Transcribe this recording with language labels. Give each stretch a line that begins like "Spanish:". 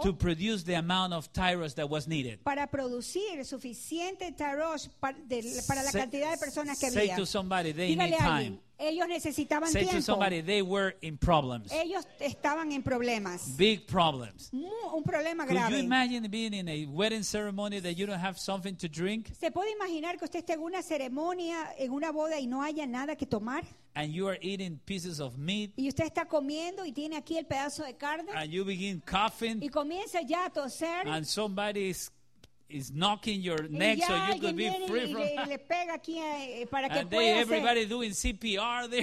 English: To produce the amount of tairosh that was needed.
Spanish: Para producir suficiente tairosh para la cantidad de personas que
English: say
Spanish: había.
English: Say to somebody they
Spanish: Dígale
English: need time.
Spanish: Ellos necesitaban
English: say
Spanish: tiempo.
English: Say to somebody they were in problems.
Spanish: Ellos estaban en problemas.
English: Big problems.
Spanish: Un problema
English: Could
Spanish: grave.
English: Could you imagine being in a wedding ceremony that you don't have something to drink?
Spanish: ¿Se puede imaginar que usted esté en una ceremonia, en una boda y no haya nada que tomar?
English: And you are eating pieces of meat.
Spanish: Y usted está comiendo y tiene aquí el pedazo de carne.
English: And you begin coughing.
Spanish: Y comienza ya a toser.
English: And somebody is knocking your neck so you could be free from
Spanish: that. Le pega aquí para que
English: and they, everybody doing CPR there.